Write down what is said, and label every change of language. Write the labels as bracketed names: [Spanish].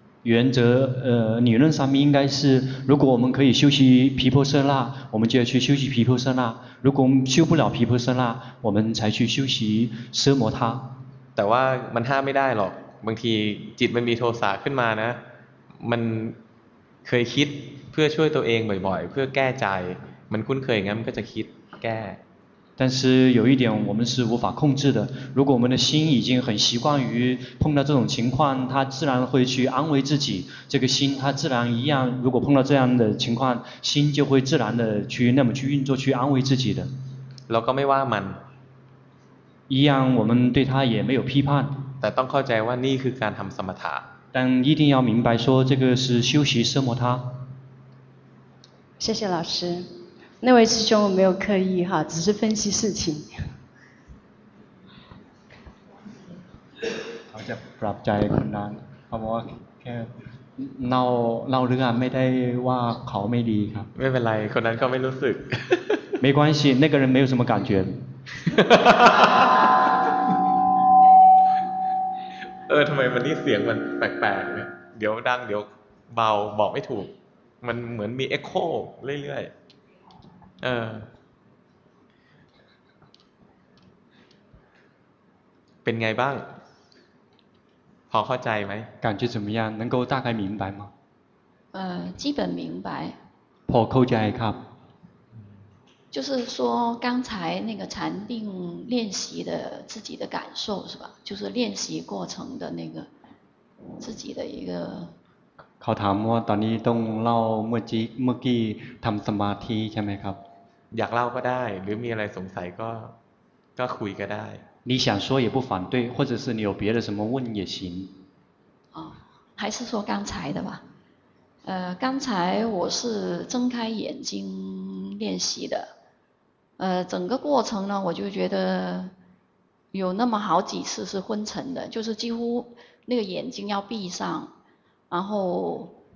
[Chinese] 原则理论上面应该是如果我们可以修习毗婆舍那我们就要去修习毗婆舍那如果我们修不了毗婆舍那我们才去修习奢摩他 [Thai] แต่ว่ามันห้ามไม่ได้หรอกบางทีจิตมันมีโทสะขึ้นมานะมันเคยคิดเพื่อช่วยตัวเองบ่อยๆเพื่อแก้ใจมันคุ้นเคยงั้นมันก็จะคิดแก้ [Chinese] 但是有一点我们是无法控制的如果我们的心已经很习惯于碰到这种情况它自然会去安慰自己这个心它自然一样如果碰到这样的情况心就会自然的去那么去运作去安慰自己的 [Thai] เราก็ไม่ว่ามัน [Chinese] 一样我们对它也没有批判 [Thai] แต่ต้องเข้าใจว่านี่คือการทำสมถะ [Chinese] 但一定要明白说这个是修习奢摩他谢谢老师那位师兄我没有刻意哈只是分析事情 [Thai] เขาจะปรับใจคนนั้นเขาบอกว่าแค่เล่าเรื่องไม่ได้ว่าเขาไม่ดีครับ ไม่เป็นไรคนนั้นเขาไม่รู้สึก [Chinese] 没关系那个人没有什么感觉 [Thai] ทำไมวันนี้เสียงมันแปลกๆเดี๋ยวดังเดี๋ยวเบาบอกไม่ถูกมันเหมือนมีเอ็กโคเรื่อยๆ ป็นไงบ้างพอเข้าใจไหม [Chinese] 感觉怎么样能够大概明白吗基本明白 [Thai] พอเข้าใจครับ [Chinese] 就是说刚才那个禅定练习的自己的感受是吧就是练习过程的那个自己的一个 [Thai] เขาถามว่าตอนนี้ต้องเล่าเมื่อกี้ทำสมาธิใช่ไหมครับ อยากเล่าก็ได้หรือมีอะไรสงสัยก็คุยก็ได้ [Chinese] 你想说也不反对或者是你有别的什么问也行哦还是说刚才的吧刚才我是睁开眼睛练习的整个过程呢我就觉得有那么好几次是昏沉的就是几乎那个眼睛要闭上然后